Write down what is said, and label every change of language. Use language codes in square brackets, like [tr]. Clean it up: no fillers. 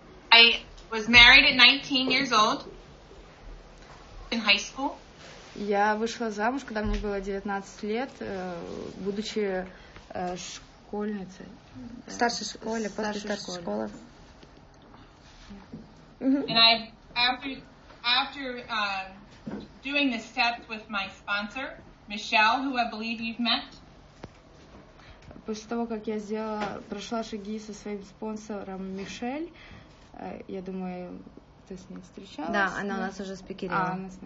[en] I was married at 19 years old in high school. [ru] Я вышла замуж, когда мне было 19 лет, будучи школьницей. В старшей школе, после старшей школы. [en] And I, after doing the steps with my sponsor, Michelle, who I believe you've met. [ru] После того, как я прошла шаги со своим спонсором Мишель, я думаю, ты с ней встречалась. Да, она у нас уже спикерила.